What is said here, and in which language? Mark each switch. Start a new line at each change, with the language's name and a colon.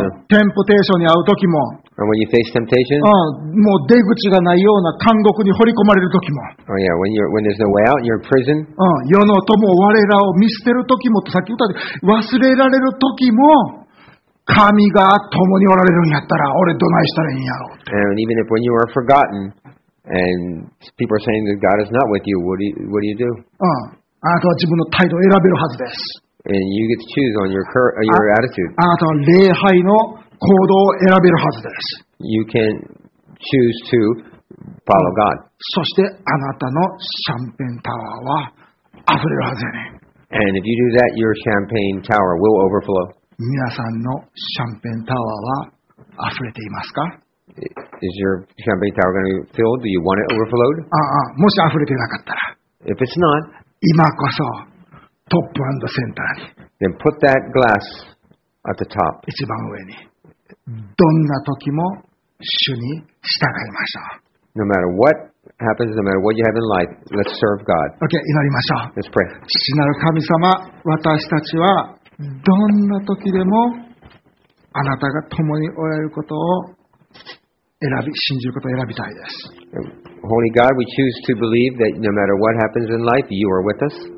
Japanese: テンプテーションに遭う時も。
English: Or when you face temptation.
Japanese: もう出口がないような監獄に放り込まれる時も。
English: Oh yeah, when there's no way out, you're in prison.
Japanese: 世の友我らを見捨てる時もってさっき言ったで、忘れられる時も、神が共におられるんやったら、俺どないしたらいいんやろうって。
English: And even if when you are forgotten, and people are saying that God is not with you, what do you do?
Japanese: あなたは自分の態度を選べるはずです。
English: And you get to choose on your attitude.
Japanese: あなたは礼拝の行動を選べるはずです。
English: You can choose to follow God.
Japanese: そしてあなたのシャンペンタワーは溢れるはずやね。
English: And if you do that, your champagne tower will overflow.
Japanese: 皆さんのシャンペンタワーは溢れていますか？
English: Is your champagne tower going to be filled? Do you want it overflowed?
Japanese: ああ、もし溢れてなかったら。
English: If it's not,
Japanese: 今こそトップ&センターに。
English: Then put that glass at the top.
Japanese: 一番上に。どんな時も主に従いましょう。
English: No matter what happens, no matter what you have in life, let's serve God.
Japanese: Okay, 祈りましょう。
English: Let's pray.
Japanese: 父なる神様、私たちはどんな時でもあなたが共におられることを信じることを選びたいです。
English: Holy God, we choose to believe that no matter what happens in life, you are with us.